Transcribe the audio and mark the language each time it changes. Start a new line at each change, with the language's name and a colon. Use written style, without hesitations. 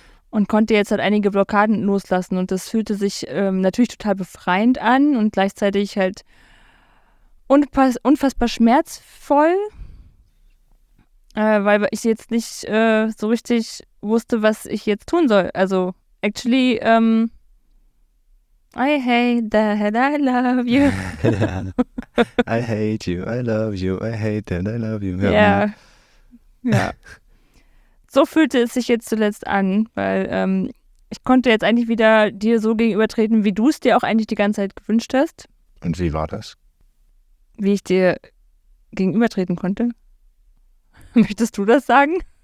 German: Und konnte jetzt halt einige Blockaden loslassen, und das fühlte sich natürlich total befreiend an und gleichzeitig halt unfassbar schmerzvoll, weil ich jetzt nicht so richtig wusste, was ich jetzt tun soll.
English: Also actually, I hate that I love you. I hate you, I love you, I hate that I love you. Ja. Yeah. Yeah.
German: So fühlte es sich jetzt zuletzt an, weil ich konnte jetzt eigentlich wieder dir so gegenübertreten, wie du es dir auch eigentlich die ganze Zeit gewünscht hast. Und wie war das? Wie ich dir gegenübertreten konnte? Möchtest du das sagen?